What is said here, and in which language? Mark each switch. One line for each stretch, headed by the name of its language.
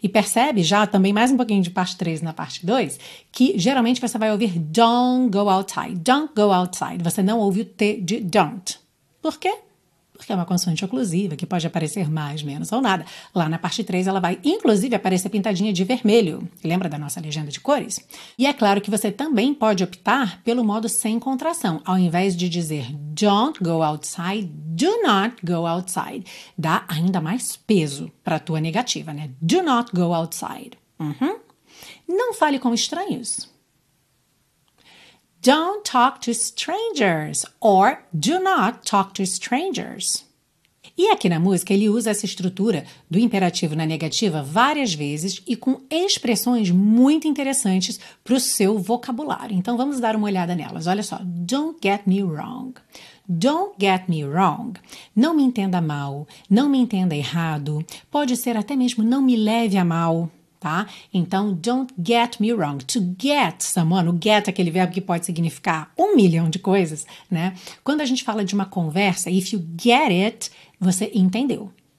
Portuguese: E percebe já também mais um pouquinho de parte 3 na parte 2, que geralmente você vai ouvir
English: don't go outside. Don't go outside.
Portuguese: Você não ouve o T de don't. Por quê? Porque é uma consoante oclusiva, que pode aparecer mais, menos ou nada. Lá na parte 3, ela vai, inclusive, aparecer pintadinha de vermelho. Lembra da nossa legenda de cores? E é claro que você também pode optar pelo modo sem contração. Ao invés de dizer
English: don't go outside, do not go outside.
Portuguese: Dá ainda mais peso para a tua negativa, né?
English: Do not go outside.
Portuguese: Não fale com estranhos.
English: Don't talk to strangers or do not talk to strangers.
Portuguese: E aqui na música ele usa essa estrutura do imperativo na negativa várias vezes e com expressões muito interessantes para o seu vocabulário. Então vamos dar uma olhada nelas. Olha só,
English: don't get me wrong. Don't get me wrong.
Portuguese: Não me entenda mal, não me entenda errado. Pode ser até mesmo não me leve a mal. Tá? Então,
English: don't get me wrong. To get someone,
Portuguese: o get é aquele verbo que pode significar um milhão de coisas, né? Quando a gente fala de uma conversa,
English: if you get it,
Portuguese: você entendeu.